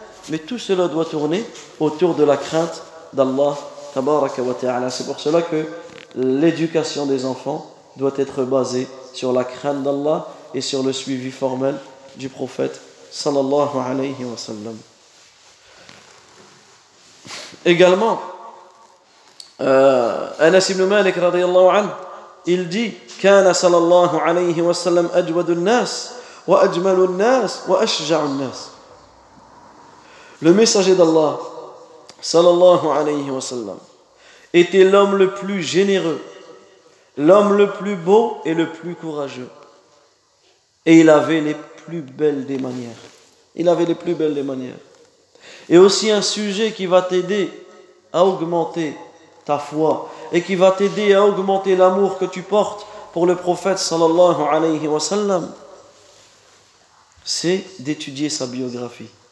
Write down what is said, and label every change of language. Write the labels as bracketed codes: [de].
[fr] Mais tout cela doit tourner autour de la crainte d'Allah tabaraka wa ta'ala. C'est pour cela que l'éducation des enfants doit être basée sur la crainte d'Allah et sur le suivi formel du prophète sallallahu alayhi wa sallam. Également, Anas ibn Malik radiyallahu anhu, il dit [ar] كان صلى الله عليه وسلم أجود الناس وأجمل الناس وأشجع الناس. [fr] Le messager d'Allah صلى الله عليه وسلم était l'homme le plus généreux, l'homme le plus beau et le plus courageux, et il avait les plus belles des manières. Il avait les plus belles des manières. Et aussi un sujet qui va t'aider à augmenter ta foi et qui va t'aider à augmenter l'amour que tu portes pour le prophète sallallahu alayhi wa sallam, c'est d'étudier sa biographie.